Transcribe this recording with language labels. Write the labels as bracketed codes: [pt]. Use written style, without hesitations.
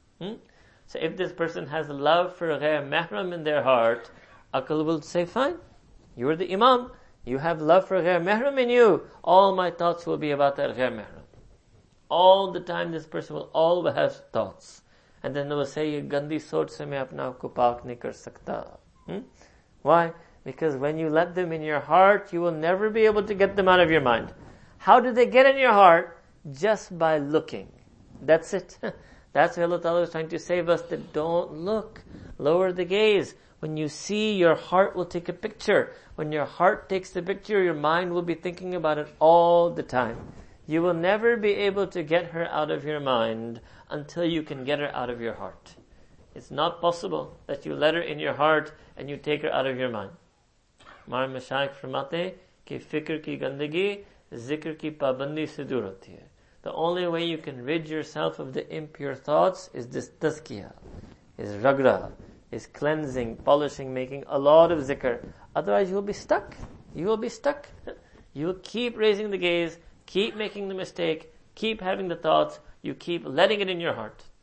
[en] So if this person has love for ghair mahram in their heart, akal will say, fine, you're the imam. You have love for ghair mahram in you. All my thoughts will be about that ghair mahram. All the time this person will always have thoughts. And then they will say, you [ur] گندی سوت سے میں اپنا آپکو پاک نہیں کر سکتا۔ [en] Why? Because when you let them in your heart, you will never be able to get them out of your mind. How do they get in your heart? Just by looking. That's it. That's what Allah Ta'ala is trying to save us, that don't look. Lower the gaze. When you see, your heart will take a picture. When your heart takes the picture, your mind will be thinking about it all the time. You will never be able to get her out of your mind until you can get her out of your heart. It's not possible that you let her in your heart and you take her out of your mind. [ur] مر مشائخ فرماتے کی فکر کی گندگی، ذکر کی پابندی سے دور ہوتی ہے۔ [en] The only way you can rid yourself of the impure thoughts is this tazkiya, is ragra, is cleansing, polishing, making a lot of zikr. Otherwise you will be stuck. You will be stuck. You will keep raising the gaze, keep making the mistake, keep having the thoughts, you keep letting it in your heart.